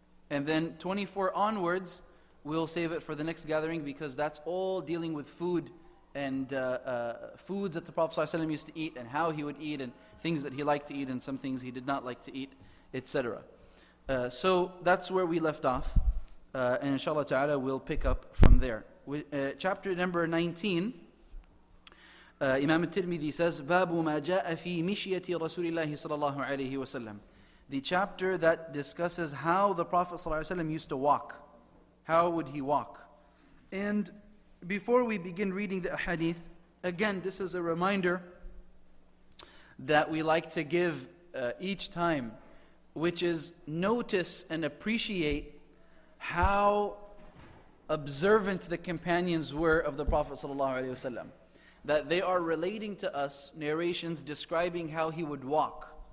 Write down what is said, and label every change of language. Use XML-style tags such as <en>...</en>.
<en>And then 24 onwards, we'll save it for the next gathering, because that's all dealing with food and foods that the Prophet ﷺ used to eat, and how he would eat, and things that he liked to eat, and some things he did not like to eat, etc. So that's where we left off. And inshallah ta'ala, we'll pick up from there. Chapter number 19, Imam al-Tirmidhi says,</en> <ar>بَابُ مَا جَاءَ فِي مِشْيَةِ رَسُولِ اللَّهِ صَلَى اللَّهُ عَلَيْهِ وَسَلَّمُ.</ar> <en>The chapter that discusses how the Prophet ﷺ used to walk. How would he walk? And before we begin reading the ahadith, again, this is a reminder that we like to give each time, which is notice and appreciate how observant the companions were of the Prophet sallallahu alaihi wasallam, that they are relating to us narrations describing how he would walk.</en>